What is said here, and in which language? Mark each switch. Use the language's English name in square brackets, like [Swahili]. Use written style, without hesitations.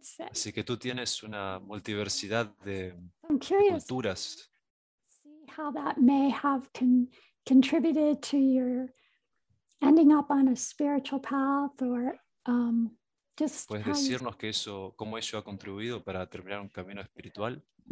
[Spanish] Así que tú tienes una multiversidad de culturas. [English] See how that may have contributed to your ending up on a spiritual path or just [Spanish] ¿puedes decirnos que eso, cómo eso ha contribuido para terminar un camino espiritual?